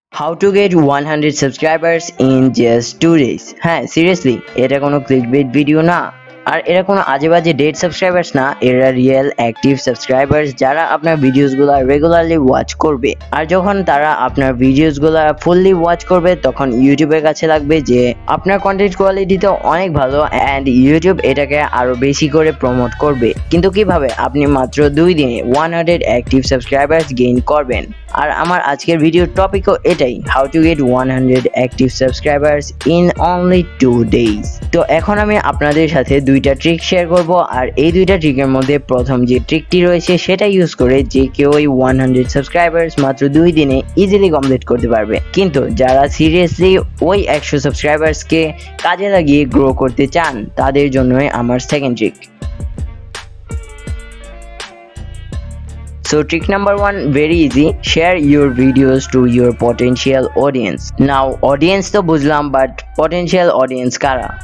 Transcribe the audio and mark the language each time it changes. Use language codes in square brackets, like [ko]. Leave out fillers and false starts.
[en] How to get 100 subscribers in just 2 days. [bn] হ্যাঁ seriously এটা কোনো ক্লিকবেট ভিডিও না আর এটা কোনো আজেবাজে ডেড সাবস্ক্রাইবার্স না এরা রিয়েল অ্যাকটিভ সাবস্ক্রাইবার্স যারা আপনার ভিডিওসগুলো রেগুলারলি ওয়াচ করবে আর যখন তারা আপনার ভিডিওসগুলো ফুললি ওয়াচ করবে তখন ইউটিউবের কাছে লাগবে যে আপনার কন্টেন্ট কোয়ালিটি তো অনেক ভালো এন্ড ইউটিউব এটাকে আরো বেশি করে প্রমোট করবে কিন্তু কিভাবে আপনি মাত্র 2 দিনে 100 অ্যাকটিভ সাবস্ক্রাইবার্স গেইন করবেন আর আমার আজকের ভিডিও টপিকও এটাই how to get 100 active subscribers in only 2 days তো এখন আমি আপনাদের সাথে দুইটা ট্রিক শেয়ার করব আর এই দুইটা ট্রিকের মধ্যে প্রথম যে ট্রিকটি রয়েছে সেটা ইউজ করে যে কেউ 100 সাবস্ক্রাইবার্স মাত্র 2 দিনে ইজিলি কমপ্লিট করতে পারবে কিন্তু যারা সিরিয়াসলি ওই 100 সাবস্ক্রাইবার্স কে কাজে লাগিয়ে গ্রো করতে চান তাদের জন্য আমার second trick [en] So trick number one, very easy, share your videos to your potential audience. [bn] Now audience to bujlam but potential audience kara.